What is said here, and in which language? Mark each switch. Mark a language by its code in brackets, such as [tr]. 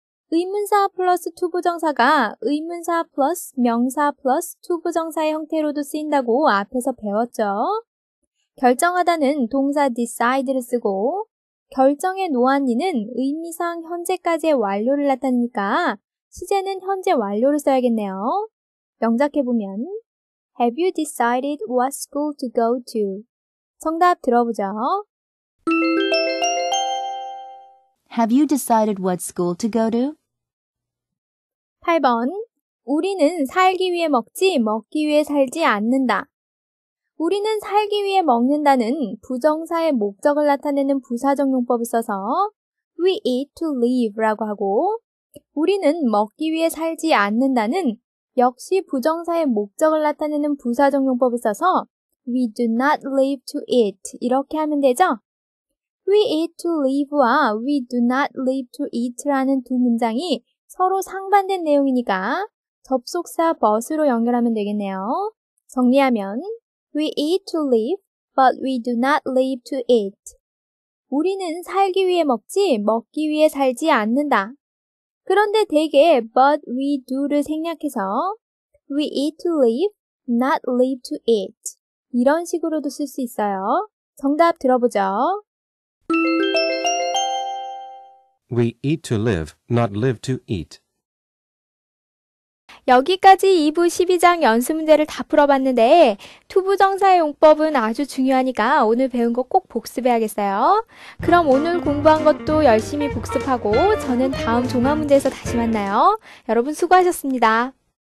[ko] 의문사 플러스 투부정사가 의문사 플러스 명사 플러스 투부정사의 형태로도 쓰인다고 앞에서 배웠죠. 결정하다는 동사 decide를 쓰고 결정해 놓았니는 의미상 현재까지의 완료를 나타내니까 시제는 현재 완료를 써야겠네요. 명작해보면 [en] Have you decided what school to go to? [ko] 정답 들어보죠. [en] Have you decided what school to go to? [ko] 8번. 우리는 살기 위해 먹지, 먹기 위해 살지 않는다. 우리는 살기 위해 먹는다는 부정사의 목적을 나타내는 부사적 용법을 써서 [en] We eat to live [ko] 라고 하고 우리는 먹기 위해 살지 않는다는 역시 부정사의 목적을 나타내는 부사적 용법을 써서 [en] We do not live to eat [ko] 이렇게 하면 되죠. [en] We eat to live [ko] 와 [en] We do not live to eat [ko] 라는 두 문장이 서로 상반된 내용이니까 접속사 but으로 연결하면 되겠네요. 정리하면 [en] We eat to live, but we do not live to eat. [ko] 우리는 살기 위해 먹지, 먹기 위해 살지 않는다. 그런데 대개 [en] but we do를 [ko] 생략해서 [en] We eat to live, not live to eat. [ko] 이런 식으로도 쓸 수 있어요. 정답 들어보죠. [en] We eat to live, not live to eat. [ko] 여기까지 2부 12장 연습 문제를 다 풀어봤는데 투부 정사의 용법은 아주 중요하니까 오늘 배운 거 꼭 복습해야겠어요. 그럼 오늘 공부한 것도 열심히 복습하고 저는 다음 종합 문제에서 다시 만나요. 여러분 수고하셨습니다.